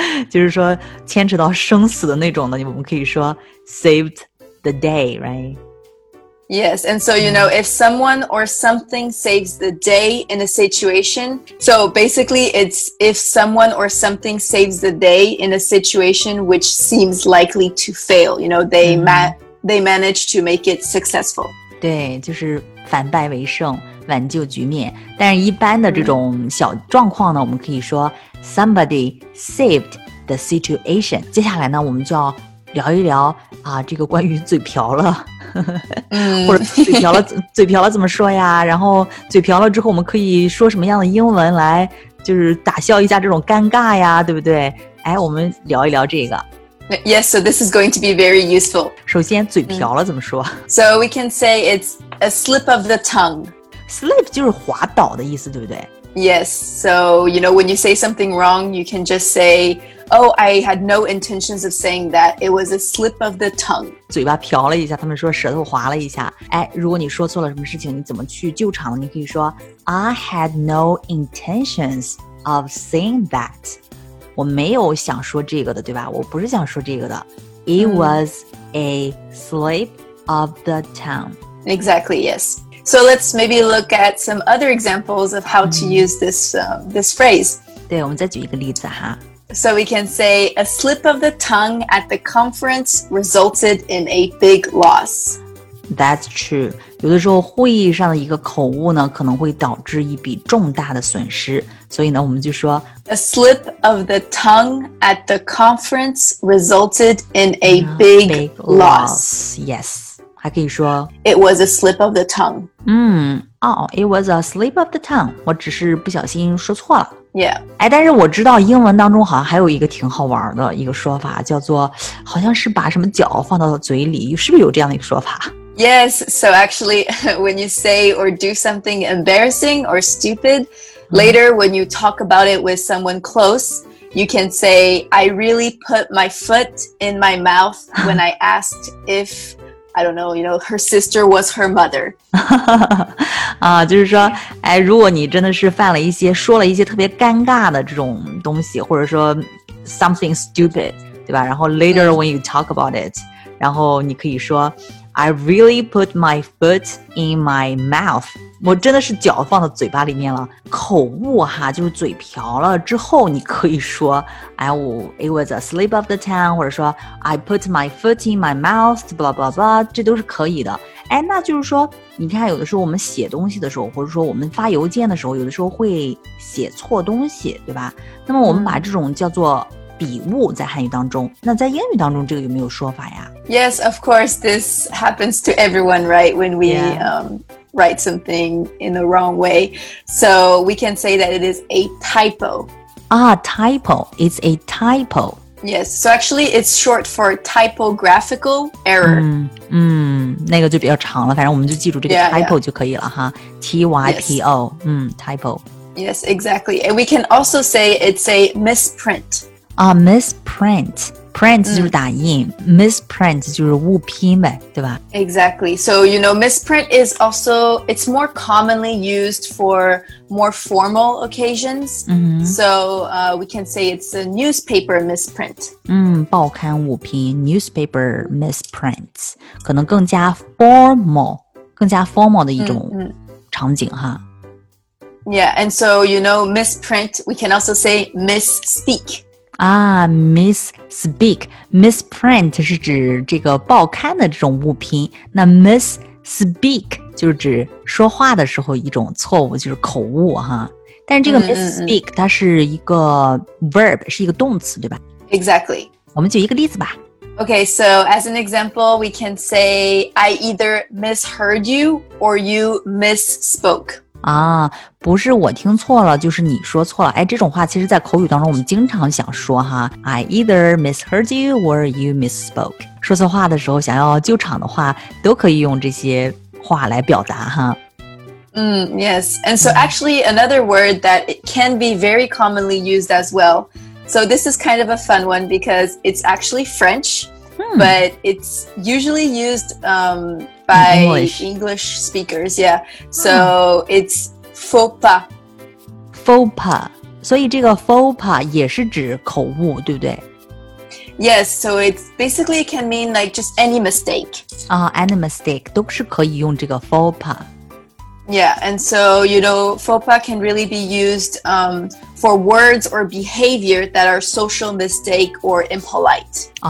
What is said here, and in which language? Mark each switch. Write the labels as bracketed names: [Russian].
[Chinese] 就是说牵扯到生死的那种的，我们可以说 [English] saved the day, right? Yes, and so, you know, if someone or something saves the day in a situation, so basically it's if someone or something saves the day in a situation which seems likely to fail, you know, they managed to make it successful. [Chinese] 对，就是反败为胜，挽救局面。但是一般的这种小状况呢，我们可以说 [English] somebody saved the situation。 [Chinese] 接下来呢，我们就要聊一聊啊，这个关于嘴瓢了，或者嘴瓢了，嘴瓢了怎么说呀？然后嘴瓢了之后，我们可以说什么样的英文来，就是打消一下这种尴尬呀，对不对？哎，我们聊一聊这个。 [English] Yes, so this is going to be very useful. [Chinese] 首先，嘴瓢了怎么说？ [English] So we can say it's a slip of the tongue. [Chinese] Slip 就是滑倒的意思，对不对？ [English] Yes, so you know when you say something wrong, you can just say. Oh, I had no intentions of saying that. It was a slip of the tongue. [Chinese] 嘴巴瓢了一下，他们说舌头滑了一下。哎，如果你说错了什么事情，你怎么去救场？你可以说 [English] I had no intentions of saying that. [Chinese] 我没有想说这个的，对吧？我不是想说这个的。 [English] It was a slip of the tongue. Exactly, yes. So let's maybe look at some other examples of how to use this phrase. [Chinese] 对，我们再举一个例子哈。 [English] So we can say, a slip of the tongue at the conference resulted in a big loss. That's true. [Chinese] 有的时候会议上的一个口误呢，可能会导致一笔重大的损失。所以呢，我们就说 [English] A slip of the tongue at the conference resulted in a big loss. [Chinese] Yes. 还可以说 [English] It was a slip of the tongue. It was a slip of the tongue. [Chinese] 我只是不小心说错了。 [English] Yeah. [Chinese] 哎，但是我知道英文当中好像还有一个挺好玩的一个说法，叫做好像是把什么脚放到嘴里，是不是有这样的一个说法？ [English] Yes, so actually, when you say or do something embarrassing or stupid, later when you talk about it with someone close, you can say, I really put my foot in my mouth when I asked if... I don't know, you know, her sister was her mother. [Chinese] 啊，就是说，哎，如果你真的是犯了一些，说了一些特别尴尬的这种东西，或者说 [English] something stupid, [Chinese] 对吧？然后 [English] later when you talk about it, [Chinese] 然后你可以说 [English] I really put my foot in my mouth. [Chinese] 我真的是脚放到嘴巴里面了。口误哈，就是嘴瓢了之后，你可以说 [English] it was a slip of the tongue, [Chinese] 或者说 [English] I put my foot in my mouth, blah blah blah, [Chinese] 这都是可以的。哎，那就是说，你看有的时候我们写东西的时候，或者说我们发邮件的时候，有的时候会写错东西，对吧？那么我们把这种叫做笔误在汉语当中，那在英语当中这个有没有说法呀？ [English] Yes, of course, this happens to everyone, right? When we write something in the wrong way. So we can say that it is a typo. Ah, typo. It's a typo. Yes, so actually it's short for typographical error. [Chinese] 那个就比较长了，反正我们就记住这个 typo 就可以了哈。 [English] T-Y-P-O, typo. Yes, exactly. And we can also say it's a misprint. Misprint. [Chinese] Print 就是打印、Misprint 就是误拼呗，对吧？ [English] Exactly. So, you know, misprint is also, it's more commonly used for more formal occasions.、So, we can say it's a newspaper misprint. [Chinese] 报刊误拼 [English] newspaper misprint. [Chinese] 可能更加 formal, 更加 formal 的一种场景哈。 [English] Yeah, and so, you know, misprint, we can also say misspeak. [Chinese] Misspeak, misprint 是指这个报刊的这种误拼，那 misspeak 就是指说话的时候一种错误，就是口误哈。但是这个 misspeak 它是一个 verb, 是一个动词，对吧？ [English] Exactly. [Chinese] 我们举一个例子吧。 [English] Okay, so as an example, we can say, I either misheard you or you misspoke. [Chinese] 不是我听错了，就是你说错了。哎，这种话其实在口语当中我们经常想说哈。 [English] I either misheard you or you misspoke. [Chinese] 说错话的时候想要救场的话都可以用这些话来表达哈。 [English] Yes. And so actually another word that it can be very commonly used as well. So this is kind of a fun one because it's actually French. But it's usually used by English speakers, yeah. So it's faux pas. Faux pas. [Chinese] 所以这个 faux pas 也是指口误，对不对？ [English] Yes, so it's basically it can mean like just any mistake. Any mistake [Chinese] 都是可以用这个 faux pas. [English] Yeah, and so, you know, faux pas can really be used for words or behavior that are social mistake or impolite.